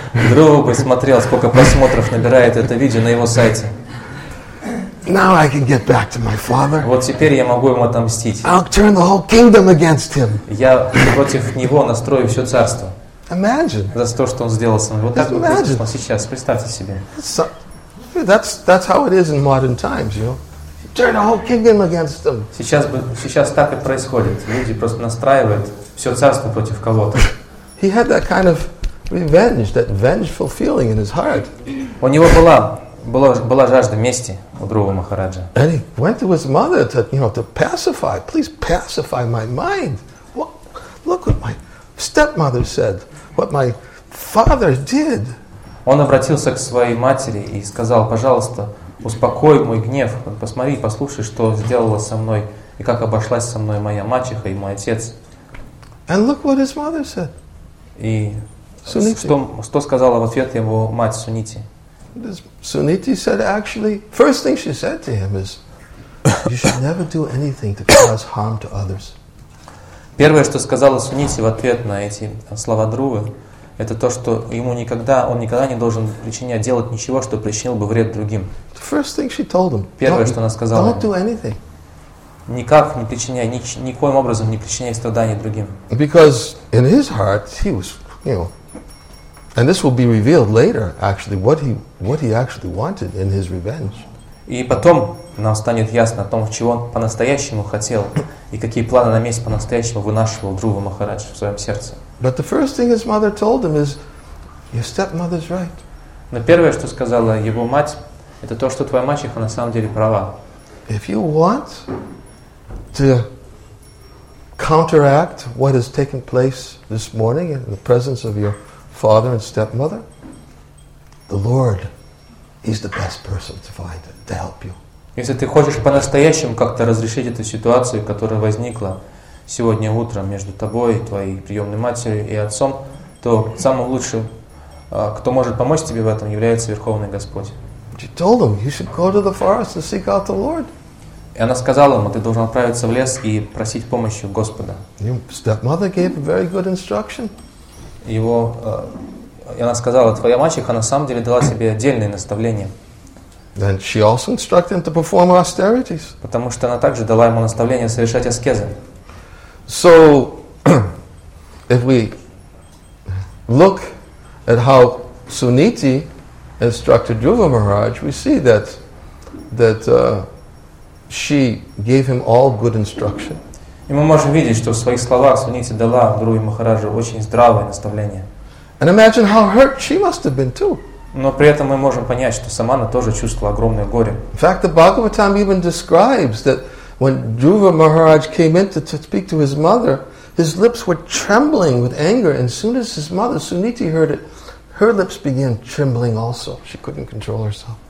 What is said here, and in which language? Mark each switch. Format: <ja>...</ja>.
<ru>Dhruva бы смотрел, сколько просмотров набирает это видео на его сайте.</ru> <en>Now I can get back to my father.</en> <ru>Вот теперь я могу ему отомстить.</ru> <en>I'll turn the whole kingdom against him.</en> <ru>Я против него настрою все царство.</ru> <en>Imagine.</en> <ru>За то, что он сделал со мной. Вот так он сейчас. Представьте себе.</ru> <en>That's how it is in modern times, you know. Turn the whole kingdom against them.</en> <ru>Сейчас так и происходит. Люди просто настраивают все царство против кого-то.</ru> <en>He had that kind of revenge, that vengeful feeling in his heart.</en> <ru>У него была жажда мести у другого Махараджа.</ru> <en>And he went to his mother to, you know, to pacify. Please pacify my mind. What, look what my stepmother said. What my father did.</en> <ru>Он обратился к своей матери и сказал: пожалуйста, успокой мой гнев. Посмотри, послушай, что сделала со мной и как обошлась со мной моя мачеха и мой отец.</ru> <en>And look what his mother said.</en> <ru>И что сказала в ответ его мать Сунити?</ru> <en>Sunita said, actually, first thing she said to him is, you should never do anything to cause harm to others.</en> <ru>Первое, что сказала Сунити в ответ на эти слова Друвы, это то, что ему никогда, он никогда не должен причинять, делать ничего, что причинил бы вред другим.</ru> <en>First thing she told him,</en> <ru>первое, что она сказала,</ru> <en>don't do anything.</en> <ru>Никак не причиняй, никоим образом не причиняй страдания другим.</ru> <en>Because in his heart, he was, you know, and this will be revealed later, actually, what he actually wanted in his revenge.</en> <ru>И потом нам станет ясно о том, чего он по-настоящему хотел, и какие планы на месть по-настоящему вынашивал Друва Махарадж в своем сердце.</ru> <en>But the first thing his mother told him is, your stepmother's right.</en> <ru>Но первое, что сказала его мать, это то, что твоя мачеха на самом деле права.</ru> <en>If you want to counteract what has taken place this morning in the presence of your father and stepmother, the Lord, he's the best person to find it, to help you.</en> <ru>Если ты хочешь по-настоящему как-то разрешить эту ситуацию, которая возникла сегодня утром между тобой, твоей приемной матерью и отцом, то самым лучшим, кто может помочь тебе в этом, является Верховный Господь.</ru> <en>She told him, you should go to the forest and seek out the Lord.</en> <ru>И она сказала ему, ты должен отправиться в лес и просить помощи у Господа.</ru> <en>Your stepmother gave a very good instruction.</en> <ru>Его, и она сказала, твоя мачеха на самом деле дала тебе отдельное наставление.</ru> <en>Then she also instructed him to perform austerities.</en> <ru>Потому что она также дала ему наставление совершать аскезы.</ru> <en>So, if we look at how Suniti instructed Dhruva Maharaj, we see that she gave him all good instruction.</en> <ru>И мы можем видеть, что в своих словах Сунити дала Друве Махараджу очень здравое наставление.</ru> <en>And imagine how hurt she must have been too.</en> <ru>Но при этом мы можем понять, что сама она тоже чувствовала огромное горе.</ru> <en>In fact, the Bhagavatam even describes that when Dhruva Maharaj came in to speak to his mother, his lips were trembling with anger. And as soon as his mother, Suniti, heard it, her lips began trembling also. She couldn't control herself.</en>